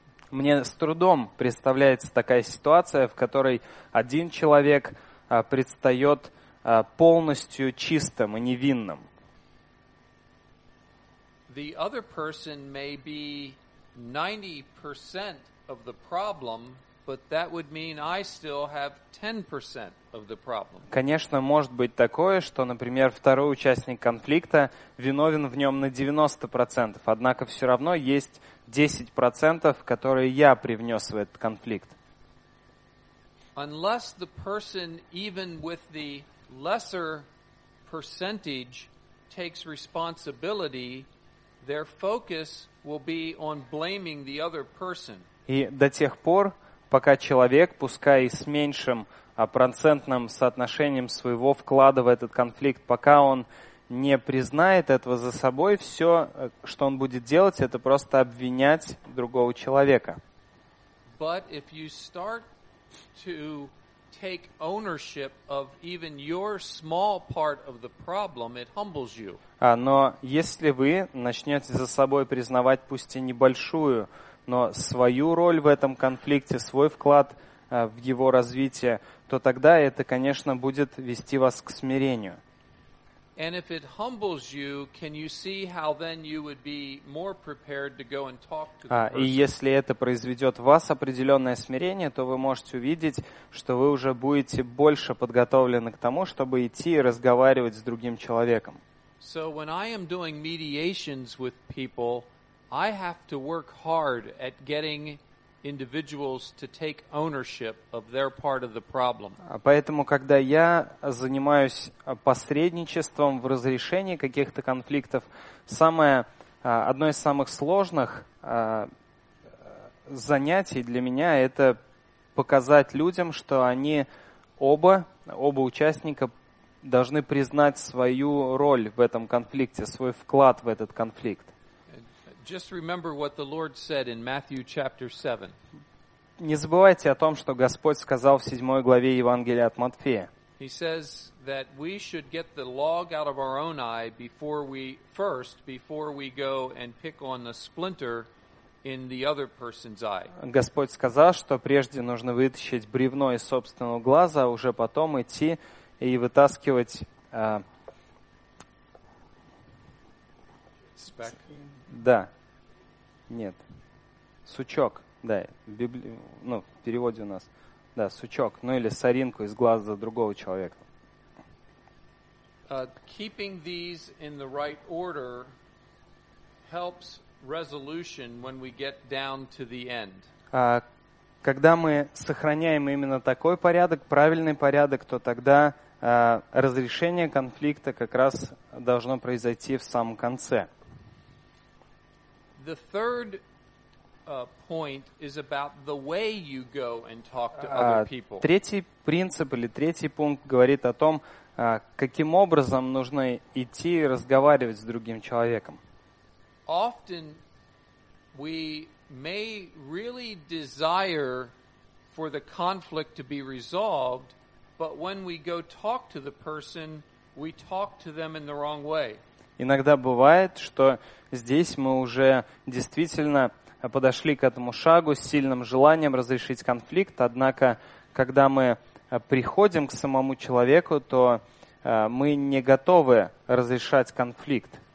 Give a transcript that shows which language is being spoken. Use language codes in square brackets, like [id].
[ru] Мне с трудом представляется такая ситуация, в которой один человек предстает полностью чистым и невинным. [en] The other person may be 90% of the problem, but that would mean I still have 10% of the problem. [ru] Конечно, может быть такое, что, например, второй участник конфликта виновен в нем на 90%, однако все равно есть 10%, которые я привнес в этот конфликт. [en] Unless the person even with the lesser percentage takes responsibility, their focus will be on blaming the other person. [ru] И до тех пор, пока человек, пускай и с меньшим процентным соотношением своего вклада в этот конфликт, пока он не признает этого за собой, все, что он будет делать, это просто обвинять другого человека. [en] But if you start to take ownership of even your small part of the problem, it humbles you. [ru] Но если вы начнете за собой признавать пусть и небольшую, но свою роль в этом конфликте, свой вклад в его развитие, то тогда это, конечно, будет вести вас к смирению. [en] And if it humbles you, can you see how then you would be more prepared to go and talk to the person? [ru] И если это произведет в вас определенное смирение, то вы можете увидеть, что вы уже будете больше подготовлены к тому, чтобы идти и разговаривать с другим человеком. [en] So when I am doing mediations with people, I have to work hard at getting individuals to take ownership of their part of the problem. [ru] Поэтому, когда я занимаюсь посредничеством в разрешении каких-то конфликтов, одно из самых сложных занятий для меня — это показать людям, что они оба участника должны признать свою роль в этом конфликте, свой вклад в этот конфликт. [en] Just remember what the Lord said in Matthew chapter 7. [ru] Не забывайте о том, что Господь сказал в 7 главе Евангелия от Матфея. [en] He says that we should get the log out of our own eye before we go and pick on the splinter in the other person's eye. [ru] Господь сказал, что прежде нужно вытащить бревно из собственного глаза, а уже потом идти и сучок, да, в переводе у нас, да, сучок, ну или соринку из глаза другого человека. [en] Keeping these in the right order helps resolution when we get down to the end. [ru] Когда мы сохраняем именно такой порядок, правильный порядок, то тогда разрешение конфликта как раз должно произойти в самом конце. [en] The third point is about the way you go and talk to other people. [ru] Третий принцип или третий пункт говорит о том, каким образом нужно идти и разговаривать с другим человеком. [en] Often we may really desire for the conflict to be resolved, but when we go talk to the person, we talk to them in the wrong way. [ru] Иногда бывает, что здесь мы уже действительно подошли к этому шагу с сильным желанием разрешить конфликт, однако, когда мы приходим к самому человеку, то мы не готовы разрешать конфликт.